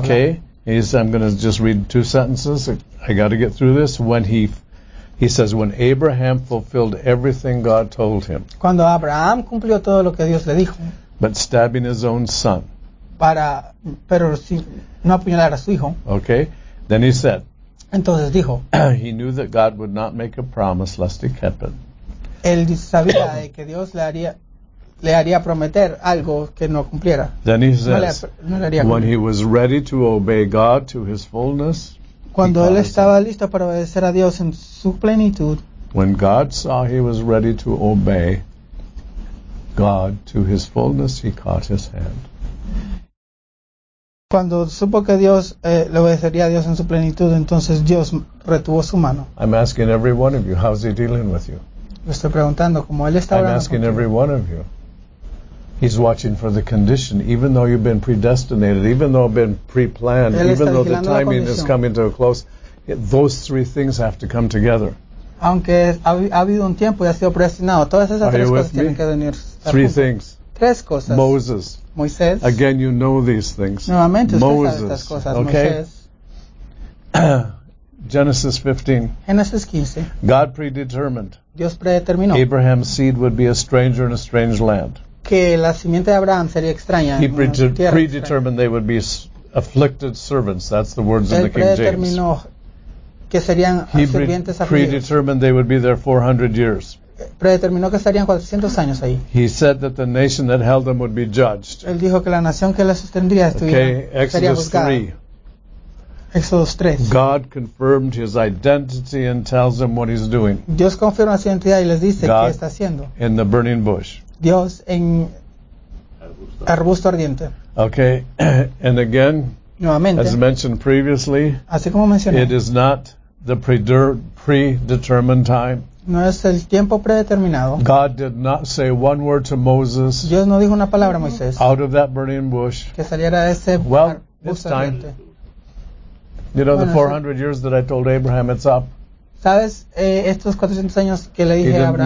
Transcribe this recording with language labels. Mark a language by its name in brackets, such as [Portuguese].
[English] Okay, I'm going to just read two sentences. I got to get through this. When he says, when Abraham fulfilled everything God told him. [Spanish] Cuando Abraham cumplió todo lo que Dios le dijo. [English] But stabbing his own son. [Spanish] Pero si no apuñalar a su hijo. [English] Okay, then he said. [Spanish] Entonces dijo. [English] He knew that God would not make a promise lest it kept it. [Spanish] Él sabía de que Dios le haría prometer algo que no cumpliera. [English] Then he says, [Spanish] no le haría [English] when he was ready to obey God to his fullness, [Spanish] cuando él estaba listo para obedecer a Dios en su plenitud, [English] when God saw he was ready to obey God to his fullness, he caught his hand. [Spanish] Cuando supo que Dios le obedecería a Dios en su plenitud, entonces Dios retuvo su mano. [English] I'm asking every one of you, how's he dealing with you? [Spanish] Le estoy preguntando cómo él está hablando. [English] I'm asking every one of you. He's watching for the condition, even though you've been predestinated, even though you've been pre-planned, even though the timing is coming to a close. Those three things have to come together. [Spanish] Aunque ha habido un tiempo y ha sido predestinado, todas esas tres cosas tienen que venir. [English] Three things. [Spanish] Tres cosas. [English] Moses. [Spanish] Moisés. [English] Again, you know these things. [Spanish] Nuevamente usted sabe estas cosas. [English] Okay. Genesis 15. Genesis 15. God predetermined. [Spanish] Dios predeterminó. [English] Abraham's seed would be a stranger in a strange land. [Spanish] Que la simiente de Abraham sería extraña. [English] He predetermined extraña. They would be afflicted servants. That's the words [Spanish] él [English] in the King James. [Spanish] Que serían [English] he [Spanish] sirvientes [English] predetermined they would be there 400 years. [Spanish] Predeterminó que estarían 400 años ahí. [English] He said that the nation that held them would be judged. [Spanish] Él dijo que la nación que las sostendría estuviera, [English] okay, Exodus [Spanish] sería juzgada. [English] 3. [Spanish] Exodus 3. [English] God confirmed his identity and tells them what he's doing. [Spanish] Dios confirma su identidad y les dice qué está haciendo. [English] In the burning bush. [Spanish] Dios en arbusto ardiente. [English] Okay, and again, [Spanish] nuevamente, [English] as mentioned previously, [Spanish] así como mencioné, [English] it is not the predetermined time. [Spanish] No es el tiempo predeterminado. [English] God did not say one word to Moses. [Spanish] Dios no dijo una palabra a Moisés. [English] Out of that burning bush. [Spanish] Que saliera de ese arbusto ardiente. [English] You know, the 400 years that I told Abraham, it's up. [Spanish] ¿Sabes estos 400 años que le dije a Abraham?